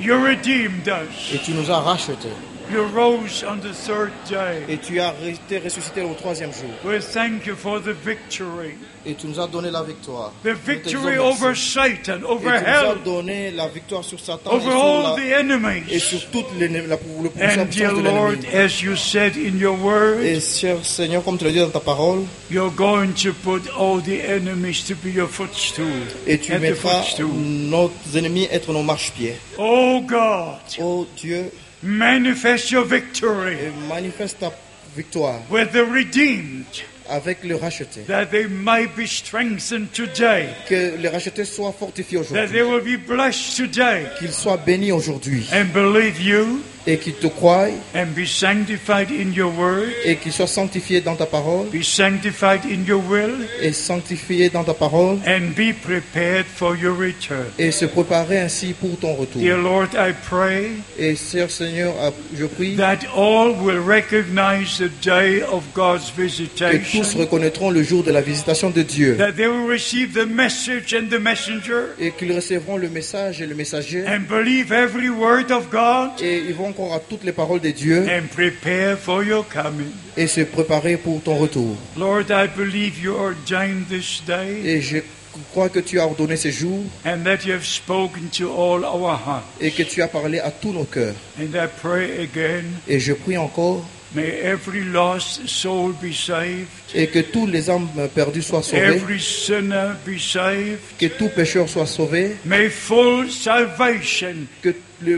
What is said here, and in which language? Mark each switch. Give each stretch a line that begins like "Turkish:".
English: You redeemed us.
French: Et tu nous as rachetés.
English: You rose on the third day.
French: Et tu as été ressuscité au troisième jour.
English: We thank you for the victory.
French: Et tu nous as donné la victoire.
English: The victory over Satan, over hell.
French: Et tu nous as donné la victoire sur Satan.
English: Over all the enemies.
French: Et sur toutes les puissance de l'ennemi.
English: And dear Lord, as you said in your word.
French: Et cher Seigneur, comme tu l'as dit dans ta parole.
English: You're going to put all the enemies to be your footstool.
French: Et tu mettras nos ennemis être nos marchepieds.
English: Oh God.
French: Oh Dieu.
English: Manifest your victory.
French: Manifeste ta victoire.
English: With the redeemed.
French: Avec le racheté.
English: That they might be strengthened today.
French: Que le racheté soit fortifié aujourd'hui.
English: That they will be blessed today.
French: Qu'il soit béni aujourd'hui.
English: And believe you.
French: Et qu'il te croie.
English: And be sanctified in your word.
French: Et qu'il soit sanctifié dans ta parole.
English: Be sanctified in your will.
French: Et sanctifié dans ta parole.
English: And be prepared for your return.
French: Et se préparer ainsi pour ton retour.
English: Dear Lord, I pray.
French: Et cher Seigneur, je prie.
English: That all will recognize the day of God's visitation.
French: Que tous reconnaîtront le jour de la visitation de Dieu.
English: That they will receive the message and the messenger.
French: Et qu'ils recevront le message et le messager.
English: And believe every word of God.
French: Et ils vont encore à toutes les paroles de Dieu
English: and prepare for your coming.
French: Et se préparer pour ton retour.
English: Lord, I believe you ordained this day.
French: Et je crois que tu as ordonné ce jour.
English: And that you have spoken to all our hearts.
French: Et que tu as parlé à tous nos cœurs.
English: And I pray again.
French: Et je prie encore.
English: May every lost soul be saved.
French: Et que tous les âmes perdues soient sauvées.
English: Every sinner be saved.
French: Que tout pécheur soit sauvé.
English: May full salvation
French: que le